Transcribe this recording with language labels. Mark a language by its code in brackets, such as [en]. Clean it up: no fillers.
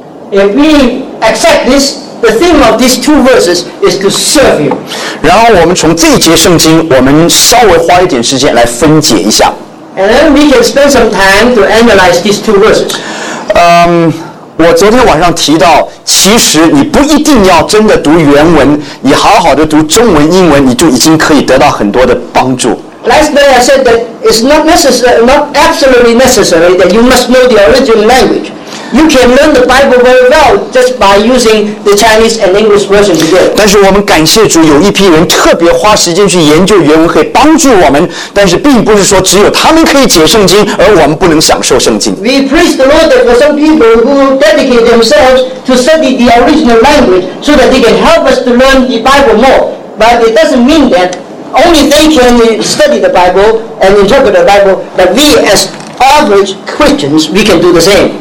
[en] If we accept this,The theme of these two verses is to serve Him. [zh] 然后我们从这一节圣经，我们稍微花一点时间来分解一下。 [en] And then we can spend some time to analyze these two verses. [zh] 我昨天晚上提到，其实你不一定要真的读原文，你好好的读中文、英文，你就已经可以得到很多的帮助。 [en] Last night I said that it's not necessary, not absolutely necessary that you must know the original language. You can learn the Bible very well just by using the Chinese and English version together. [zh] 但是我们感谢主，有一批人特别花时间去研究原文，可以帮助我们。但是并不是说只有他们可以解圣经，而我们不能享受圣经。 [en] We praise the Lord for some people who dedicate themselves to study the original language so that they can help us to learn the Bible more. But it doesn't mean that only they can study the Bible and interpret the Bible, but we as Average Christians, we can do the same.